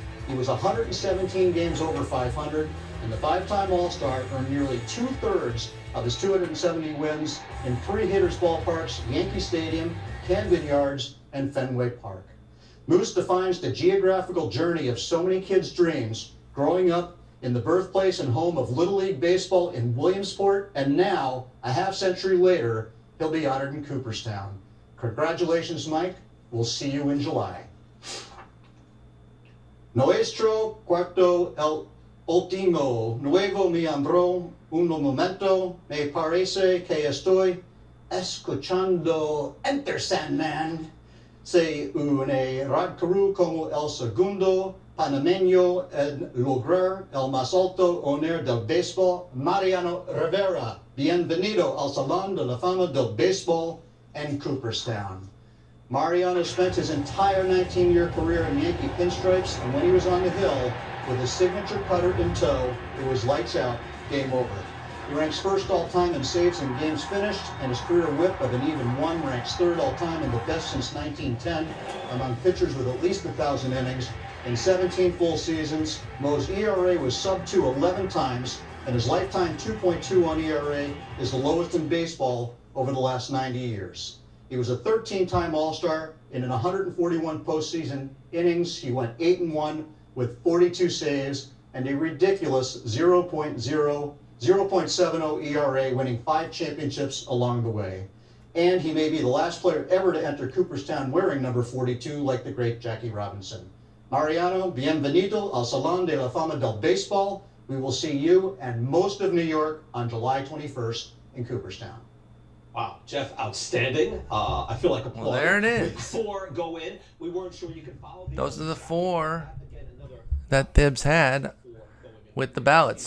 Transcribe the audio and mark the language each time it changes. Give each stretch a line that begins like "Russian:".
English: He was 117 games over 500, and the 5-time All-Star earned nearly 2/3 of his 270 wins in 3 hitters ballparks, Yankee Stadium, Camden Yards, and Fenway Park. Moose defines the geographical journey of so many kids' dreams, growing up in the birthplace and home of Little League Baseball in Williamsport, and now, a half century later, he'll be honored in Cooperstown. Congratulations, Mike. We'll see you in July.
Spanish: Nuestro cuarto el último, nuevo mi ambro, un momento, me parece que estoy escuchando Enter Sandman. Se une Rod Carew como el segundo panameño en lograr el más alto honor del béisbol, Mariano Rivera. Bienvenido al Salón de la Fama del Béisbol en Cooperstown.
English: Mariano spent his entire 19-year career in Yankee pinstripes, and when he was on the hill with his signature cutter in tow, it was lights out, game over. He ranks first all-time in saves and games finished, and his career whip of an even 1 ranks third all-time and the best since 1910 among pitchers with at least 1,000 innings in 17 full seasons. Moe's ERA was sub 2 11 times, and his lifetime 2.21 ERA is the lowest in baseball over the last 90 years. He was a 13-time All-Star, and in 141 postseason innings, he went 8-1 with 42 saves and a ridiculous 0.70 ERA, winning 5 championships along the way. And he may be the last player ever to enter Cooperstown wearing number 42, like the great Jackie Robinson.
Spanish: Mariano, bienvenido al Salón de la Fama del Béisbol.
English: We will see you and most of New York on July 21st in Cooperstown. Wow, Jeff, outstanding. I feel like a player. Well, there it is. 4 go in. We weren't sure you could follow. Those are the 4 that Thibs had with the ballots.